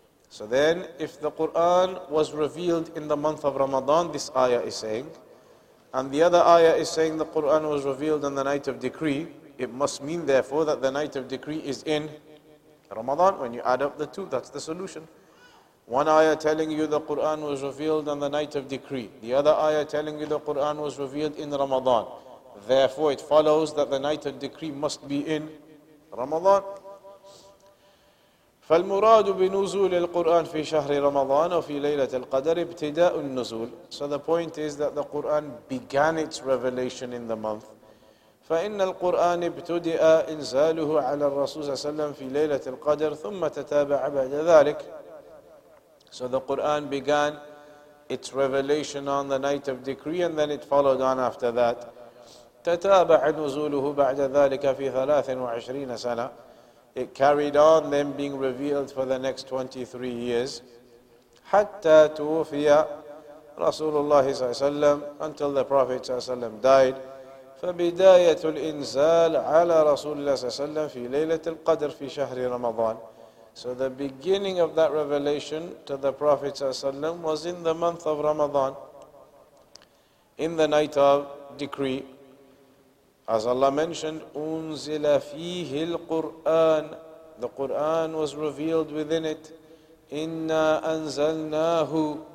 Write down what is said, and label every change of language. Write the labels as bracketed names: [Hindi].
[English] So then, if the Qur'an was revealed in the month of Ramadan, this ayah is saying, and the other ayah is saying the Qur'an was revealed on the night of decree, it must mean, therefore, that the night of decree is in Ramadan. When you add up the two, that's the solution. One ayah telling you the Qur'an was revealed on the night of decree, the other ayah telling you the Qur'an was revealed in Ramadan. Therefore, it follows that the night of decree must be in Ramadan. [Arabic] فالمراد بنزول القرآن في شهر رمضان وفي ليلة القدر ابتداء النزول. [English] So the point is that the Quran began its revelation in the month. [Arabic] فإن القرآن ابتدى إنزاله على الرسول صلى الله عليه وسلم في ليلة القدر ثم تتابع بعد ذلك. [English] So the Quran began its revelation on the night of decree, and then it followed on after that. [Arabic] تتابع نزوله بعد ذلك في 23 سنة. [English] It carried on then being revealed for the next 23 years. [Arabic] Hatta tufiya Rasulullah [English] صلى الله عليه وسلم, until the Prophet صلى الله عليه وسلم died. [Arabic] فبداية الإنزال على رسول الله صلى الله عليه وسلم في ليلة القدر في شهر رمضان. [English] So the beginning of that revelation to the Prophet صلى الله عليه وسلم was in the month of Ramadan, in the night of decree. As Allah mentioned, [Arabic] أُنزِلَ فِيهِ الْقُرْآنِ. [English] The Qur'an was revealed within it. [Arabic] إِنَّا أَنزَلْنَاهُ.